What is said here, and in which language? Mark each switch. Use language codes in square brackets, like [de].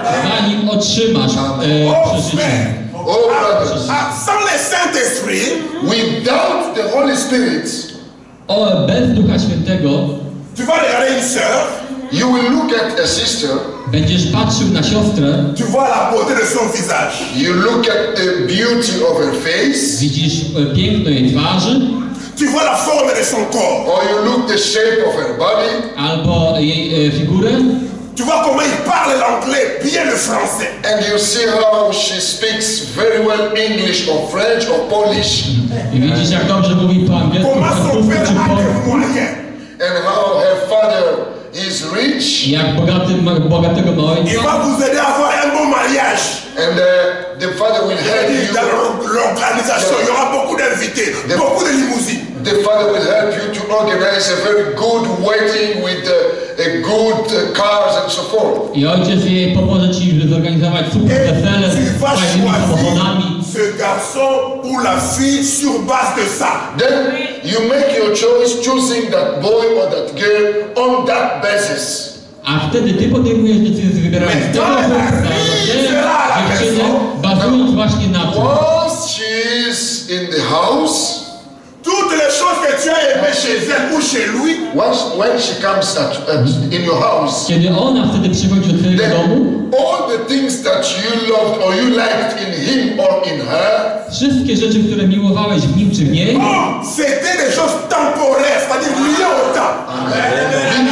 [pl] Zanim otrzymasz przeżycie. [en] Oh, brothers, [fr] sans le Saint-Esprit, [en] without the Holy Spirit, [pl] bez Ducha Świętego, [fr] tu vas regarder une sœur, [en] you will look at a sister, [pl] będziesz patrzył na siostrę, [fr] tu vois la beauté de son visage, [en] you look at the beauty of her face, [pl] widzisz piękno jej twarzy, [fr] tu vois la forme de son corps. [en] Or you look the shape of her body. [pl] Albo jej figurę. [fr] Tu vois comment il parle l'anglais, bien le français. [en] And you see how she speaks very well English or French or Polish. [pl] I widzisz jak dobrze mówi po angielsku, po francusku czy po polsku. [en] And how her father is rich. [pl] Jak bogaty, bogatego ma ojca. [fr] Il va vous aider à avoir un bon mariage. [en] And the father will help you. [fr] Dans l'organisation, il y aura beaucoup d'invités, beaucoup de limousines. [en] The father will help you to organize a very good wedding with a good cars and so forth. [pl] I ojciec jej pomoże ci, żeby zorganizować super wesele z fajnymi samochodami. [fr] Ce garçon ou la fille sur base de ça. [en] Then you make your choice choosing that boy or that girl on that basis. [pl] A wtedy ty podejmujesz decyzję, wybierając tego dziewczynę, bazując właśnie na tym. [en] Once she is in the house, [fr] toutes les choses que tu as aimées chez elle ou chez lui, [en] when she comes in your house, [pl] kiedy ona wtedy przychodzi do twojego domu, [en] all the things that you loved or you liked in him or in her, [pl] wszystkie rzeczy, które miłowałeś w nim czy w niej, [fr] c'était des choses temporaires, c'est-à-dire liées au temps.